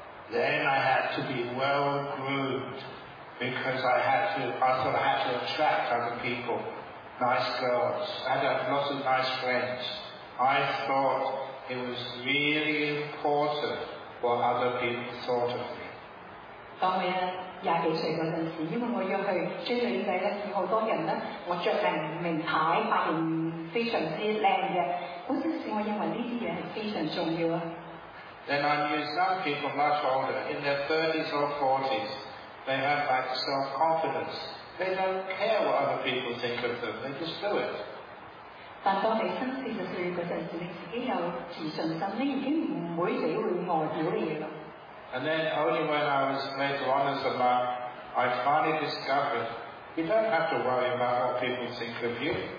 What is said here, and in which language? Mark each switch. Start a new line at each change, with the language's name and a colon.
English: Then I had to be well groomed because I thought I had to attract other people, nice girls. I had lots of nice friends. I thought it was really important what other people thought of me.
Cantonese: 當我廿幾歲嗰陣時，因為我要去追女仔咧，見好多人咧，我著名名牌，髮型非常之靚嘅。
English: Then I knew some people much older, in their 30s or 40s. They have like self-confidence. They don't care what other people think of them. They just do it. And then only when I was made to honor the monk, I finally discovered, you don't have to worry about what people think of you.